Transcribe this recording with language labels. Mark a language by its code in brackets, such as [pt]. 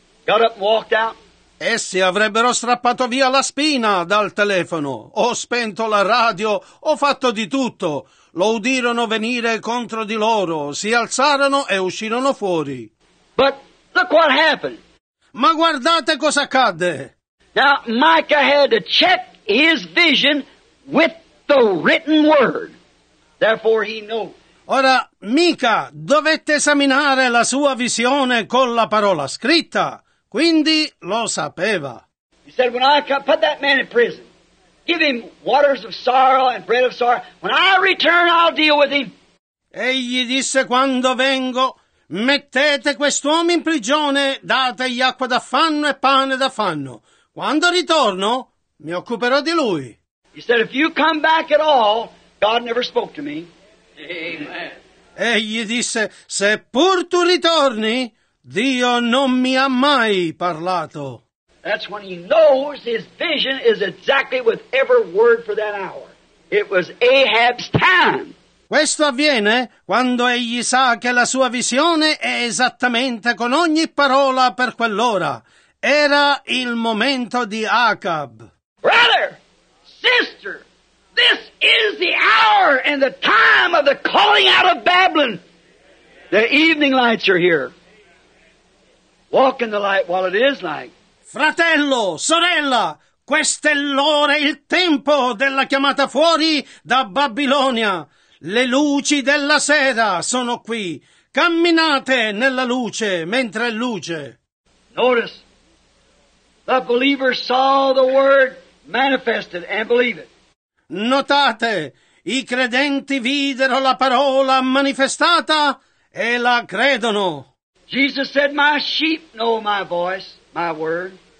[en] Got up and walked out. [it] Essi avrebbero strappato via la spina dal telefono, o spento la radio, o fatto di tutto. Lo udirono venire contro di loro, si alzarono e uscirono fuori. [en] But look what happened. [it] Ma guardate cosa accadde. [en] Now, Micah had to check his vision with the written word. Therefore, he knew. [it] Ora, Mica dovette esaminare la sua visione con la parola scritta. Quindi, lo sapeva. [en] He said, when I come, put that man in prison. Give him waters of sorrow and bread of sorrow. When I return, I'll deal with him. [it] Egli disse, quando vengo, mettete quest'uomo in prigione, dategli acqua d'affanno e pane d'affanno. Quando ritorno, mi occuperò di lui. [en] He said, if you come back at all, God never spoke to me. Amen. [it] Egli disse, seppur tu ritorni, Dio non mi ha mai parlato. [en] That's when he knows his vision is exactly with every word for that hour. It was Ahab's time. [it] Questo avviene quando egli sa che la sua visione è esattamente con ogni parola per quell'ora. Era il momento di Acab. [en] Brother, sister, this is the hour and the time of the calling out of Babylon. The evening lights are here. Walk in the light while it is night. [it] Fratello, sorella, questa è l'ora, il tempo della chiamata fuori da Babilonia. Le luci della sera sono qui. Camminate nella luce mentre è luce. [en] Notice, the believer saw the word manifested and believed it. [it] Notate, i credenti videro la parola manifestata e la credono. [en] Jesus said, my sheep know my voice, my word.